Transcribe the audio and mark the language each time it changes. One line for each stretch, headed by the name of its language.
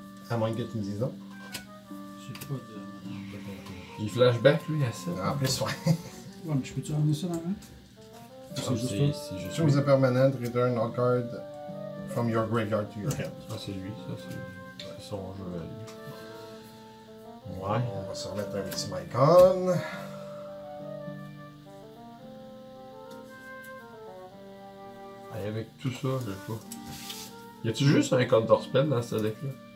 French: À moins que tu me dises non. J'ai pas de. Il flashback lui à ça. En plus, ouais. Ouais, mais je peux-tu ramener ça dans la main?
English: Choose a permanent, return all card from your graveyard to your hand.
French: Ah, c'est lui, ça, c'est son jeu à lui. Ouais. On va se remettre un petit mic on. Et avec tout ça, je sais pas. Y a-tu juste un counter spell dans ce deck-là?